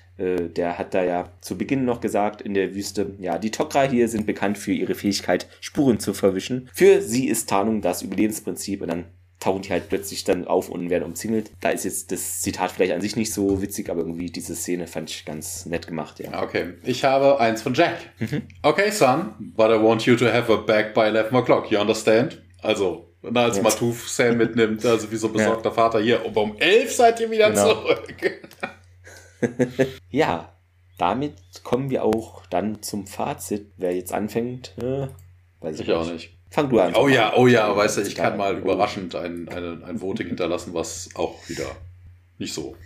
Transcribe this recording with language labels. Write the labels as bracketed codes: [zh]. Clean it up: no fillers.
[de] Der hat da ja zu Beginn noch gesagt in der Wüste, ja, die Tok'ra hier sind bekannt für ihre Fähigkeit, Spuren zu verwischen. Für sie ist Tarnung das Überlebensprinzip und dann tauchen die halt plötzlich dann auf und werden umzingelt. Da ist jetzt das Zitat vielleicht an sich nicht so witzig, aber irgendwie diese Szene fand ich ganz nett gemacht, ja. Okay, ich habe eins von Jack. [en] Okay, son, but I want you to have a bag by 11 o'clock, you understand? [de] Also, als Matuf Sam mitnimmt, also wie so ein besorgter Vater hier, um 11 seid ihr wieder zurück. Ja, damit kommen wir auch dann zum Fazit. Wer jetzt anfängt, weiß ich auch nicht. Fang du an. Oh ja, weißt du, ich kann mal überraschend ein Voting hinterlassen, was auch wieder nicht so.